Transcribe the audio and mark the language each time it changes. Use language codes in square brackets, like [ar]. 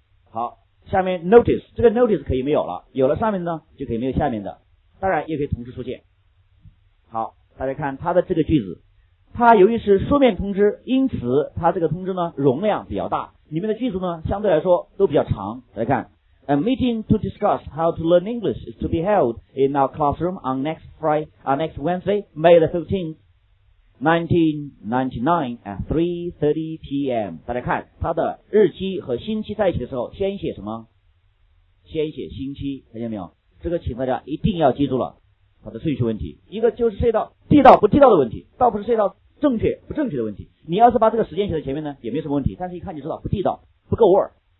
[zh] 好，下面 notice， 这个 notice 可以没有了，有了上面的呢就可以没有下面的，当然也可以同时出现。好，大家看它的这个句子，它由于是书面通知，因此它这个通知呢容量比较大，里面的句子呢相对来说都比较长。大家看 [en] A meeting to discuss how to learn English is to be held in our classroom on next Friday, next Wednesday, May the 15th, 1999 at 3:30 p.m. [zh] 大家看它的日期和星期在一起的时候先写什么，先写星期，看见没有，这个请大家一定要记住了它的顺序问题。一个就是涉及到地道不地道的问题，倒不是涉及到正确不正确的问题，你要是把这个时间写在前面呢也没什么问题，但是一看就知道不地道不够味儿。